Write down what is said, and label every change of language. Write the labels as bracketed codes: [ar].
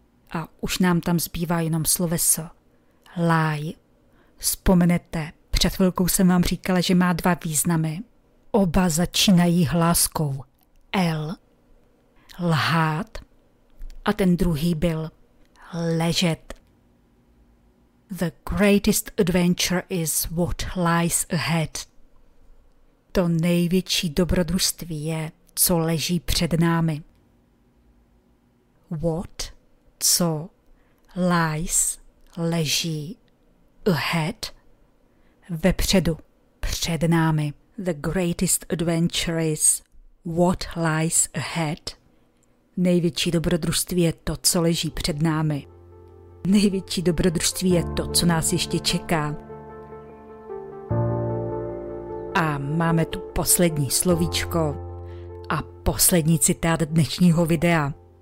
[cs] A už nám tam zbývá jenom sloveso lie. Vzpomenete, před chvilkou jsem vám říkala, že má dva významy. Oba začínají hláskou L, lhát, a ten druhý byl ležet. [en] The greatest adventure is what lies ahead. [cs] To největší dobrodružství je, co leží před námi. What, co, lies, leží, ahead, vepředu, před námi. [en] The greatest adventure is what lies ahead. [cs] Největší dobrodružství je to, co leží před námi. Největší dobrodružství je to, co nás ještě čeká. A máme tu poslední slovíčko a poslední citát dnešního videa.